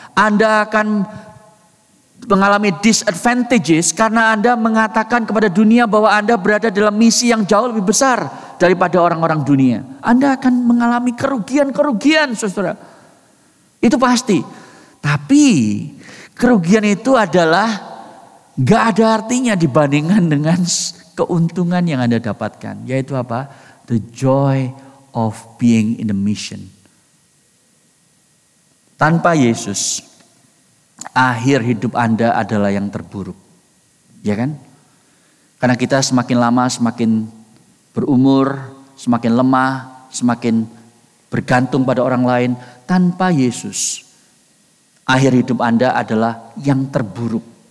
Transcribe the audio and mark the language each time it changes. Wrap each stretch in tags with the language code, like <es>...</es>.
<id>Anda akan mengalami disadvantages karena Anda mengatakan kepada dunia bahwa Anda berada dalam misi yang jauh lebih besar daripada orang-orang dunia. Anda akan mengalami kerugian-kerugian, saudara. Itu pasti. Tapi kerugian itu adalah gak ada artinya dibandingkan dengan keuntungan yang Anda dapatkan. Yaitu apa?</id> <en>The joy of being in the mission.</en> <id>Tanpa Yesus, akhir hidup Anda adalah yang terburuk. Ya kan? Karena kita semakin lama semakin berumur, semakin lemah, semakin bergantung pada orang lain. Tanpa Yesus, akhir hidup Anda adalah yang terburuk.</id>